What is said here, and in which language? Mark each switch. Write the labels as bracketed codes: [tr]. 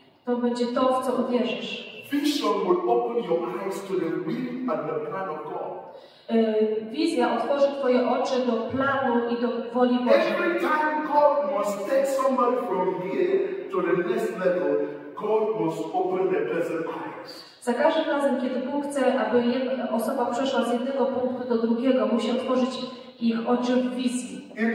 [pl] To będzie to, w co uwierzysz. [en] Vision will open your eyes to the will and the plan of God. [pl] Wizja otworzy twoje oczy do planu i do woli Bożej. [en] Every time God must take somebody from here to the next level, God must open the person's eyes. [pl] Za każdym razem, kiedy Bóg chce, aby osoba przeszła z jednego punktu do drugiego, musi otworzyć ich oczy w wizji.